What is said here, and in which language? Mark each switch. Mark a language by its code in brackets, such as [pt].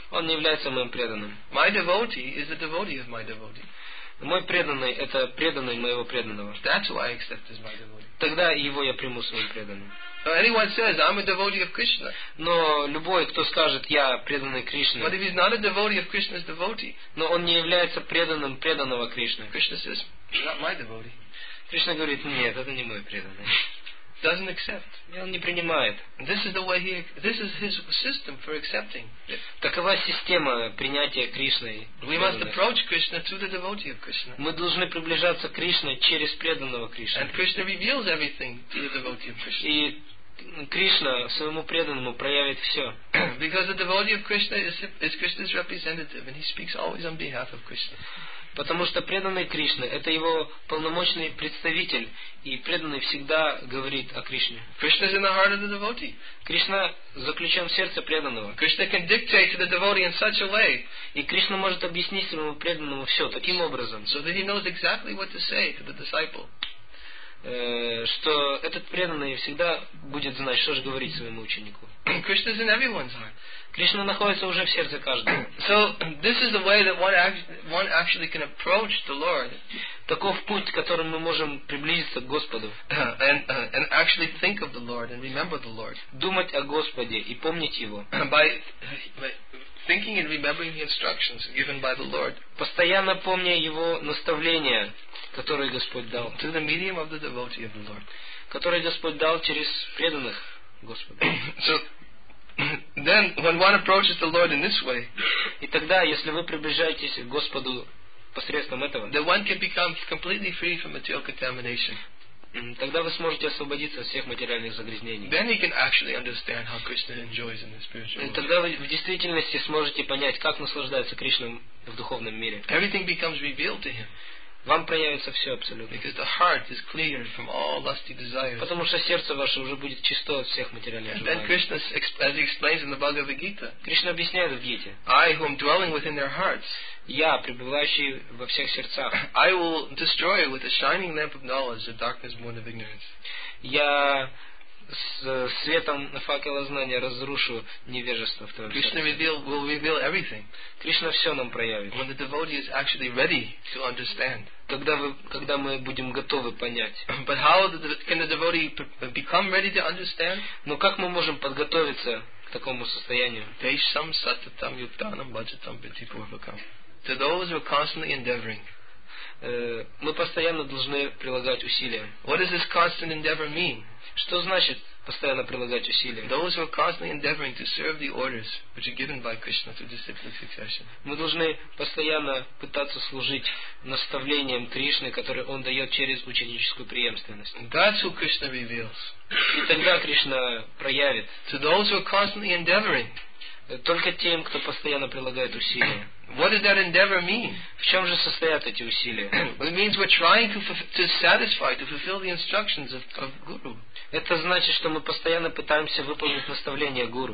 [ru] Он не является моим преданным. [en] My devotee is the devotee of my devotee. [ru] Мой преданный – это преданный моего преданного. [en] That's why I accept as my devotee. [ru] Тогда его я приму своим преданным. [en] Anyone says, I'm a devotee of Krishna. [ru] Но любой, кто скажет, я преданный Кришне. [en] But if he's not a devotee of Krishna's devotee. [ru] Но он не является преданным преданного Кришны. [en] Krishna says, not my devotee. [ru] Кришна говорит, нет, это не мой преданный. [en] Doesn't accept. [ru] И он не принимает. [en] This is the way he. This is his system for accepting. [ru] Такова система принятия Кришны. [en] We must approach Krishna through the devotee of Krishna. [ru] Мы должны приближаться к Кришне через преданного Кришны. [en] And Krishna reveals everything to the devotee of Krishna. [ru] И Кришна своему преданному проявит все. [en] Because the devotee of Krishna is Krishna's representative, and he speaks always on behalf of Krishna. [ru] Потому что преданный Кришна – это его полномочный представитель, и преданный всегда говорит о Кришне. [en] Krishna is in the heart of the devotee. [ru] Кришна заключен в сердце преданного. [en] Krishna can dictate to the devotee in such a way. [ru] И Кришна может объяснить своему преданному все таким образом. [en] So that he knows exactly what to say to the disciple. [ru] Что этот преданный всегда будет знать, что же говорить своему ученику. [en] Krishna is in everyone's heart. [ru] Кришна находится уже в сердце каждого. [en] So this is the way that one actually can approach the Lord. [ru] Таков путь, которым мы можем приблизиться к Господу. [en] And actually think of the Lord and remember the Lord. [ru] Думать о Господе и помнить Его. [en] By thinking and remembering the instructions given by the Lord. [ru] Постоянно помня Его наставления, которые Господь дал. [en] Through the medium of the devotee of the Lord. [ru] Которые Господь дал через преданных Господу. [en] So. Then, when one approaches the Lord in this way, [ru] и тогда, если вы приближаетесь к Господу посредством этого, [en] then one can become completely free from material contamination. [ru] Тогда вы сможете освободиться от всех материальных загрязнений. [en] Then you can actually understand how Krishna enjoys in the spiritual world. [ru] Тогда вы в действительности сможете понять, как наслаждается Кришна в духовном мире. [en] Everything becomes revealed to him. [ru] Вам проявится все абсолютно. [en] Because the heart is cleared from all lusty desires. [ru] Потому что сердце ваше уже будет чисто от всех материальных желаний. [en] Then Krishna, as he explains in the Bhagavad Gita, [ru] Кришна объясняет в Гите. [en] I who am dwelling within their hearts. [ru] Я, пребывающий во всех сердцах. [en] I will destroy with the shining lamp of knowledge the darkness born of ignorance. [ru] Я с светом факела знания разрушу невежество в твоем [en] Krishna [ru] сердце. [en] Krishna will reveal everything. [ru] Кришна все нам проявит. [en] When the devotee is actually ready to understand. [ru] Когда мы будем готовы понять. [en] But how can the devotee become ready to understand? [ru] Но как мы можем подготовиться к такому состоянию? [sa] Desham satatam yuktanam bhajatam pitipurvakam. [en] To those who are constantly endeavoring. [ru] Мы постоянно должны прилагать усилия. [en] What does this constant endeavor mean? [ru] Что значит постоянно прилагать усилия? [en] Those who are constantly endeavoring to serve the orders which are given by Krishna through disciplinary succession. [ru] Мы должны постоянно пытаться служить наставлениям Кришны, которые Он дает через ученическую преемственность. [en] That's who Krishna reveals. [ru] И тогда Кришна проявит. [en] To those who are constantly endeavoring. [ru] Только тем, кто постоянно прилагает усилия. [en] What does that endeavor mean? [ru] В чем же состоят эти усилия? [en] It means we're trying to satisfy, to fulfill the instructions of Guru. [ru] Это значит, что мы постоянно пытаемся выполнить наставления Гуру.